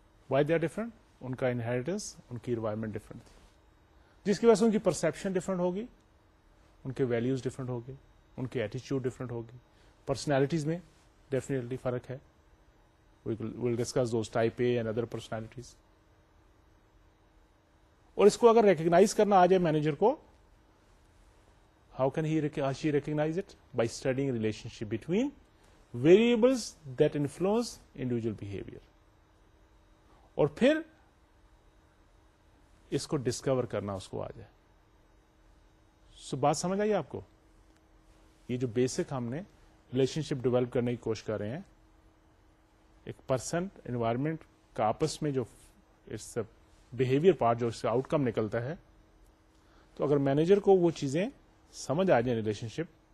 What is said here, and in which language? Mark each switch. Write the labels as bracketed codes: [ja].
[en] Why they are different? [ur] ان کا inheritance, ان کی environment different تھی, جس کی وجہ سے ان کی پرسپشن ڈفرنٹ ہوگی, ان کے ویلوز ڈفرنٹ ہوگی, ان کی ایٹیچیوڈ ڈفرنٹ ہوگی. پرسنالٹیز میں ڈیفینیٹلی فرق ہے. [en] Will discuss those type A and other personalities. [ur] اور اس کو اگر ریکگنائز کرنا آ جائے مینیجر کو, [en] How can he she recognize it? By studying relationship between variables that influence individual behavior. [ur] اور پھر اس کو ڈسکور کرنا اس کو آ جائے. سو بات سمجھ آئی آپ کو؟ یہ جو بیسک ہم نے ریلیشن شپ ڈیولپ کرنے کی کوشش کر رہے ہیں, ایک پرسن انوائرمنٹ کا آپس میں جو [en] it's a behaviour part, [ur] جو اس کا آؤٹ کم نکلتا ہے, تو اگر مینیجر کو وہ چیزیں سمجھ آ جائیں ریلیشن شپ,